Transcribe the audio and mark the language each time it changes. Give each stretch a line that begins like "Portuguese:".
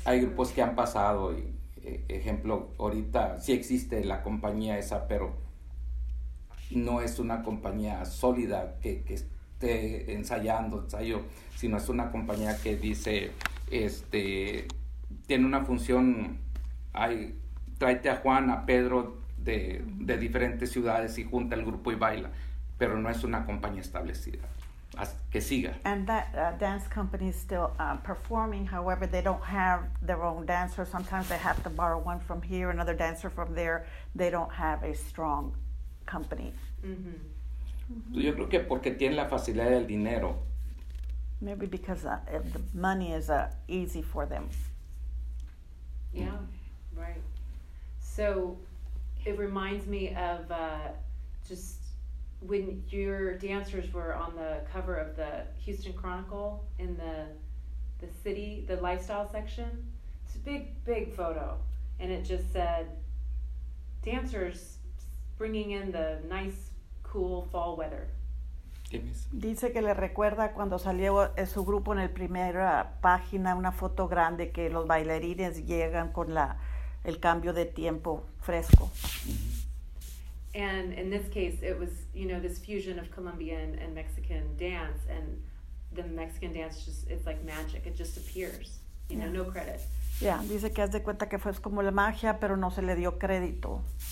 Spanish: Hay grupos que han pasado y ejemplo, ahorita sí existe la compañía esa, pero no es una compañía sólida que esté ensayo, sino es una compañía que dice tiene una función. Ay, tráete a Juan, a Pedro de diferentes ciudades y junta el grupo y baila, pero no es una compañía establecida. Así que siga.
English: And that dance company is still performing, however they don't have their own dancer. Sometimes they have to borrow one from here, another dancer from there. They don't have a strong company. Mm-hmm.
Spanish: Mm-hmm. Yo creo que porque tienen la facilidad del dinero.
English: Maybe because the money is easy for them. Yeah. Mm-hmm. Right. So it reminds me of just when your dancers were on the cover of the Houston Chronicle in the city, the lifestyle section. It's a big, big photo. And it just said, dancers bringing in the nice, cool fall weather.
Spanish: Dice que le recuerda cuando salió su grupo en el primera página, una foto grande que los bailarines llegan con la el cambio de tiempo fresco.
English: And in this case, it was, you know, this fusion of Colombian and Mexican dance, and the Mexican dance just, it's like magic. It just appears, you know, no credit.
Spanish: Yeah, dice que haz de cuenta que fue como la magia, pero no se le dio crédito.